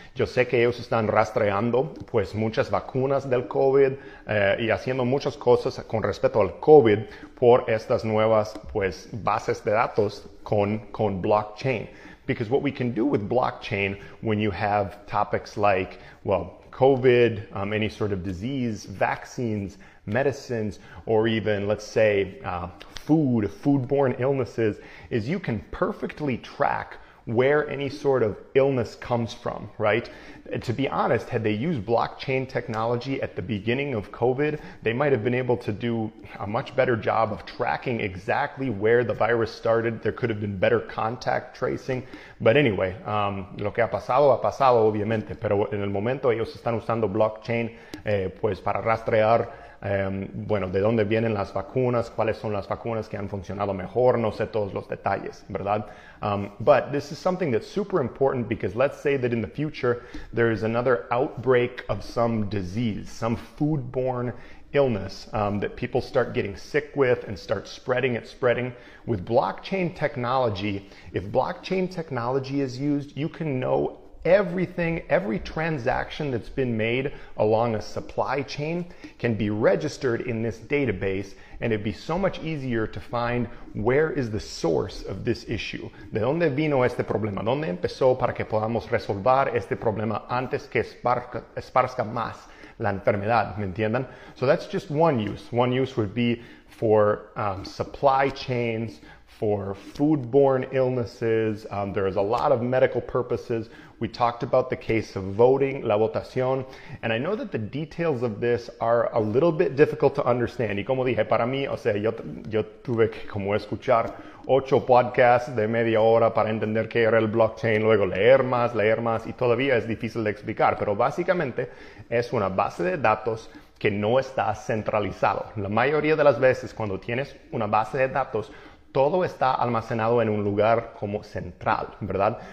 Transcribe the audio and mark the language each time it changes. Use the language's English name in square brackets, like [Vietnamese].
[Spanish] Yo sé que ellos están rastreando pues muchas vacunas del COVID y haciendo muchas cosas con respecto al COVID por estas nuevas pues bases de datos con blockchain. [English] Because what we can do with blockchain when you have topics like, well, COVID, any sort of disease, vaccines, medicines, or even, let's say, foodborne illnesses, is you can perfectly track where any sort of illness comes from, right? To be honest, had they used blockchain technology at the beginning of COVID, they might have been able to do a much better job of tracking exactly where the virus started. There could have been better contact tracing. But anyway, [Spanish] lo que ha pasado, obviamente. Pero en el momento ellos están usando blockchain pues para rastrear bueno, de dónde vienen las vacunas, cuáles son las vacunas que han funcionado mejor, no sé todos los detalles, ¿verdad? [English] But this is something that's super important, because let's say that in the future there is another outbreak of some disease, some foodborne illness that people start getting sick with and start spreading. With blockchain technology, if blockchain technology is used, you can know everything, every transaction that's been made along a supply chain can be registered in this database, and it'd be so much easier to find where is the source of this issue. [Spanish] ¿De dónde vino este problema? ¿Dónde empezó para que podamos resolver este problema antes que esparzca más la enfermedad? ¿Me entienden? [English] So that's just one use. One use would be for supply chains, for foodborne illnesses. There is a lot of medical purposes. We talked about the case of voting, [Spanish] la votación, [English] and I know that the details of this are a little bit difficult to understand. [Spanish] Y como dije, para mí, o sea, yo tuve que como escuchar 8 podcasts de media hora para entender qué era el blockchain, luego leer más, y todavía es difícil de explicar, pero básicamente es una base de datos que no está centralizado. La mayoría de las veces cuando tienes una base de datos, todo está almacenado en un lugar como central, ¿verdad?